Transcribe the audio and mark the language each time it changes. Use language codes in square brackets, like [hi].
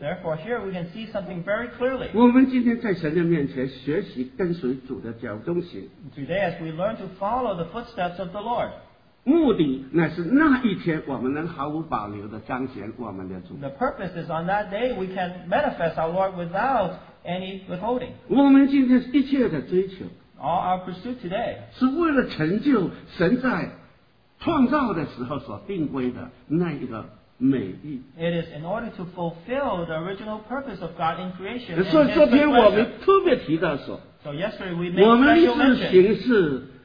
[en] Therefore, here we can see something very clearly. [zh] 我们今天在神的面前学习跟随主的脚中行。 [en] Today, as we learn to follow the footsteps of the Lord, [zh] 目的乃是那一天我们能毫无保留地彰显我们的主。 [en] The purpose is on that day we can manifest our Lord without any withholding. [zh] 我们今天一切的追求, [en] all our pursuit today, [zh] 是为了成就神在创造的时候所定规的那一个美意。 [en] It is in order to fulfill the original purpose of God in creation. [zh] 所以昨天我们特别提到说, [en] so yesterday we made special mention,